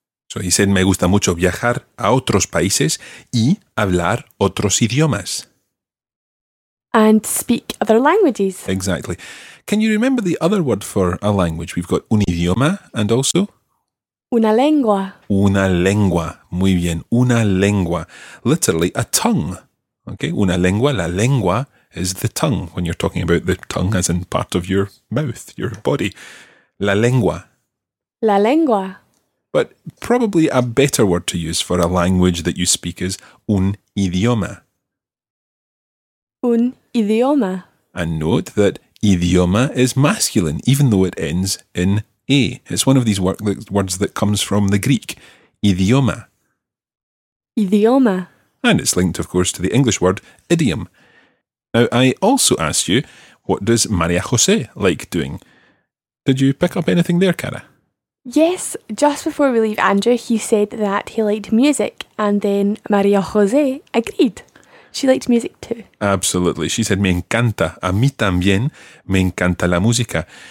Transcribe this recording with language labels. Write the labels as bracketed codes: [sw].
[en] So he said, [es] me gusta mucho viajar a otros países y hablar otros idiomas. [en] And speak other languages. Exactly. Can you remember the other word for a language? We've got un idioma and also... [es] Una lengua. Una lengua. Muy bien. Una lengua. [en] Literally, a tongue. [es] Okay? Una lengua. [en] La lengua is the tongue, when you're talking about the tongue as in part of your mouth, your body. [es] La lengua. La lengua. [en] But probably a better word to use for a language that you speak is un idioma. [es] Un idioma. [en] And note that idioma is masculine, even though it ends in A. It's one of these words that comes from the Greek, idioma. [es] Idioma. [en] And it's linked, of course, to the English word idiom. Now, I also asked you, what does María José like doing? Did you pick up anything there, Cara? Yes, just before we leave Andrew, he said that he liked music, and then María José agreed. She liked music too. Absolutely. She said, [es] me encanta, a mí también, me encanta la música.